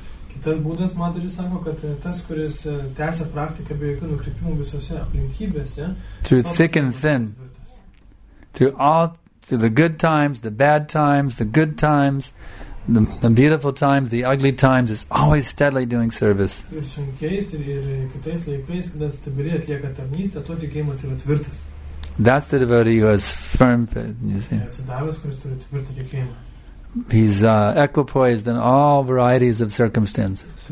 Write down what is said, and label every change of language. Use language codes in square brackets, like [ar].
[lt] Kitas būdas, Madhuri sako, kad tas, kuris tęsia praktiką be jokių nukrypimų visose aplinkybėse. [en] Through thick and thin. Through the good times, the bad times, the good times, the beautiful times, the ugly times, is always steadily doing service. [lt] Ir sunkiais ir kitais laikais, kada stabiliai atlieka tarnystę, to tikėjimas yra tvirtas. [en] That's the devotee who has firm faith, you see. He's equipoised in all varieties of circumstances.